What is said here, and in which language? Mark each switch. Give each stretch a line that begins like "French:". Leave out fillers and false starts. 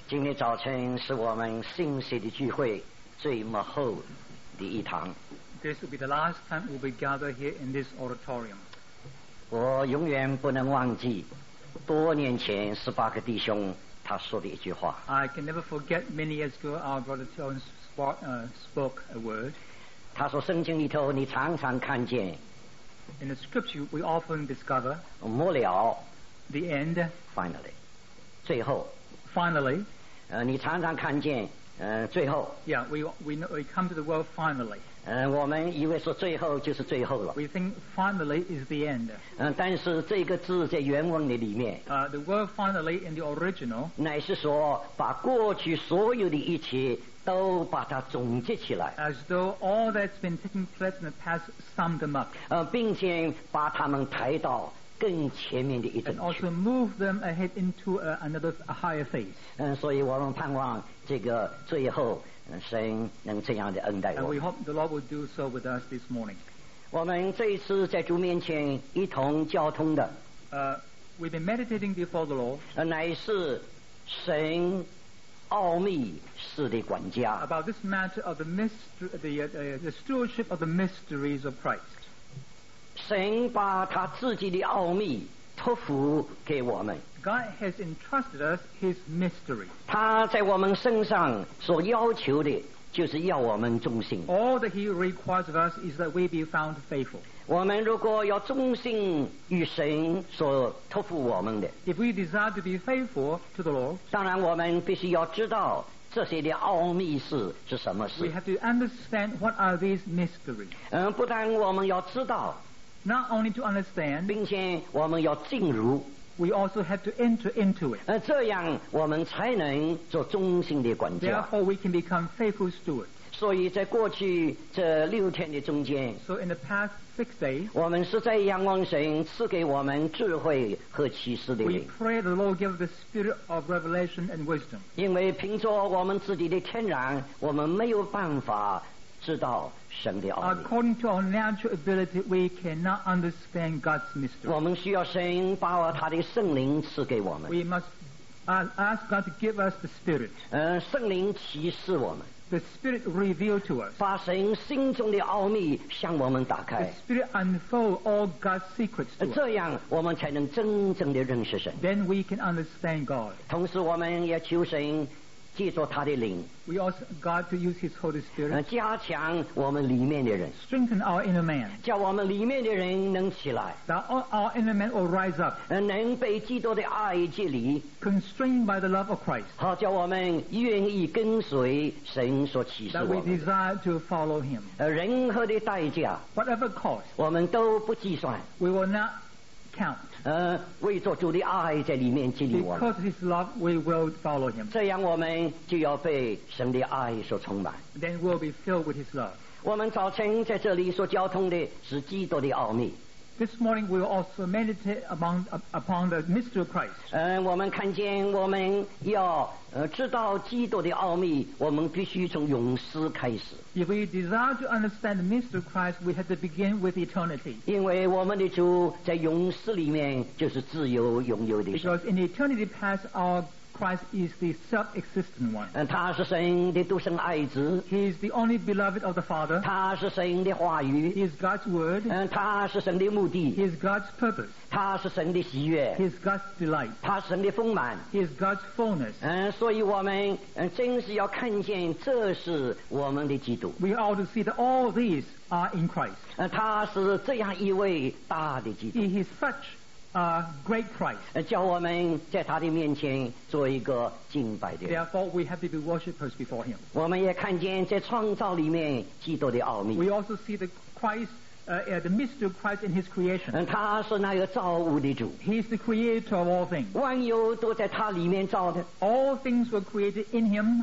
Chinese: 今天早晨是我们信息的聚会最末后的一堂。
English: This will be the last time we'll be gathered here in this auditorium.
Chinese: 我永远不能忘记多年前十八个弟兄他说的一句话。
English: I can never forget many years ago our brother John spoke a word.
Chinese: 他说圣经里头你常常看见。
English: In the scripture we often discover.
Chinese: 末了。
English: The end. Finally.
Chinese: 最后。
English: Finally.
Chinese: 你常常看见。最后
English: Yeah, we come to the world finally
Chinese: 我们以为说最后就是最后了
English: We think finally is the end
Chinese: 但是这个字在原文的里面
English: The word finally in the original
Chinese: 乃是说把过去所有的一切都把它总结起来
English: As though all that's been taking place in the past summed them up
Chinese: 并且把它们抬到更前面的一阵去
English: and also move them ahead into another a higher phase
Chinese: 所以我们盼望这个最后神能这样的恩待我们
English: and we hope the Lord will do so with us this morning
Chinese: 我们这一次在主面前一同交通的
English: we've been meditating before the Lord
Chinese: 乃是神奥秘式的管家
English: about this matter of the mystery the stewardship of the mysteries of Christ
Chinese: 神把他自己的奥秘托付给我们
English: God has entrusted us his mystery
Chinese: 他在我们身上所要求的就是要我们忠心
English: All that he requires of us is that we be found faithful
Chinese: 我们如果要忠心与神所托付我们的
English: If we desire to be faithful to the Lord
Chinese: 当然我们必须要知道这些的奥秘事是什么事
English: We have to understand what are these mysteries
Chinese: 不但我们要知道
English: Not only to understand,
Chinese: 并且我们要进入
English: we also have to enter into it.
Chinese: 这样我们才能做忠心的管家
English: Therefore, we can become faithful stewards.
Chinese: 所以在过去这六天的中间
English: So in the past six days,
Chinese: 我们是在仰望神赐给我们智慧和启示的灵
English: We pray the Lord give the spirit of revelation and wisdom.
Chinese: 因为凭着我们自己的天然，我们没有办法知道神的奥秘
English: According to our natural ability we cannot understand God's mystery
Chinese: 我们需要神把他的圣灵赐给我们
English: We must ask God to give us the spirit
Chinese: 圣灵启示我们
English: The spirit reveal to us
Chinese: 把神心中的奥秘向我们打开
English: The spirit unfold all God's secrets to us
Chinese: 这样我们才能真正的认识神
English: Then we can understand God
Chinese: 同时我们也求神借着他的灵
English: We ask God to use His Holy Spirit
Chinese: 加强我们里面的人
English: Strengthen our inner man
Chinese: 叫我们里面的人能起来
English: That our inner man will rise up
Chinese: 能被基督的爱治理
English: Constrained by the love of Christ
Chinese: 好叫我们愿意跟随神所启示我们
English: That we desire to follow Him
Chinese: 任何的代价
English: Whatever cost
Chinese: 我们都不计算
English: We will not count
Chinese: 为着主的爱在里面激励我们
English: because of his love we will follow him
Chinese: 这样我们就要被神的爱所充满
English: then we'll be filled with his love
Chinese: 我们早晨在这里所交通的是基督的奥秘
English: this morning we will also meditate upon the mystery of Christ
Chinese: 我们看见我们要知道基督的奥秘我们必须从永世开始
English: if we desire to understand the mystery of Christ we have to begin with eternity
Chinese: 因为我们的主在永世里面就是自由拥有的
English: because in eternity past our Christ is the self-existent one
Chinese: 他是神的独生爱子
English: he is the only beloved of the Father
Chinese: 他是神的话语
English: he is God's word
Chinese: 他是神的目的
English: he is God's purpose
Chinese: 他是神的喜悦
English: he is God's delight
Chinese: 他是神的丰满
English: he is God's fullness
Chinese: 所以我们真是要看见这是我们的基督
English: We ought to see that all these are in Christ
Chinese: 他是这样一位大的基督
English: He is such a great Christ
Chinese: 叫我们在他的面前做一个敬拜的人
English: Therefore we have to be worshippers before him
Chinese: 我们也看见在创造里面基督的奥秘
English: We also see the Christ the mystery of Christ in his creation
Chinese: 他是那个造物的主
English: He is the creator of all things
Chinese: 万有都在他里面造的
English: All things were created in him